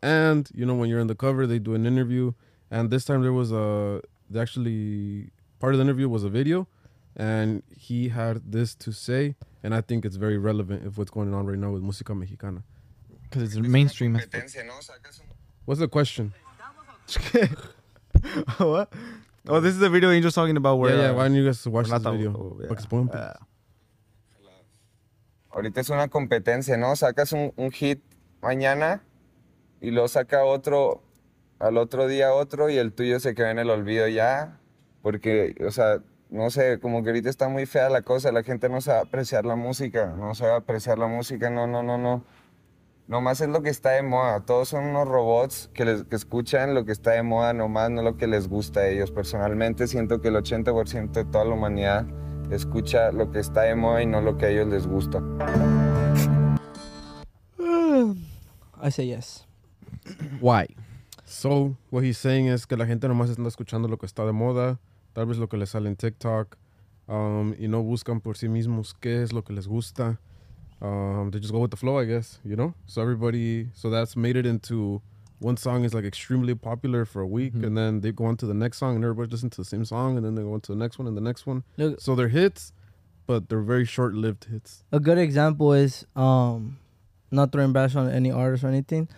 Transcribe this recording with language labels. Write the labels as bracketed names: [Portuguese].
[English] And you know, when you're in the cover, they do an interview. And this time there was part of the interview was a video, and he had this to say, and I think it's very relevant of what's going on right now with Música Mexicana. Because it's mainstream. What's the question? What? Oh, this is the video Angel's talking about where... Yeah, why don't you guys watch this video? [Spanish] Ahorita es una competencia, ¿no? Sacas un hit mañana, y luego saca otro, al otro día otro, y el tuyo se queda en el olvido ya. Porque, o sea, no sé, como que ahorita está muy fea la cosa, la gente no sabe apreciar la música, no. Nomás es lo que está de moda, todos son unos robots que escuchan lo que está de moda nomás, no lo que les gusta a ellos. Personalmente siento que el 80% de toda la humanidad escucha lo que está de moda y no lo que a ellos les gusta. [English] I say yes. Why? So, what he's saying is [Spanish] que la gente nomás está escuchando lo que está de moda, tal vez lo que les sale en TikTok, y no buscan por sí mismos qué es lo que les gusta. [English] They just go with the flow, I guess, you know? So that's made it into one song is like extremely popular for a week, mm-hmm. and then they go on to the next song, and everybody listens to the same song, and then they go on to the next one and the next one. Look, so they're hits, but they're very short-lived hits. A good example is, not throwing bash on any artist or anything,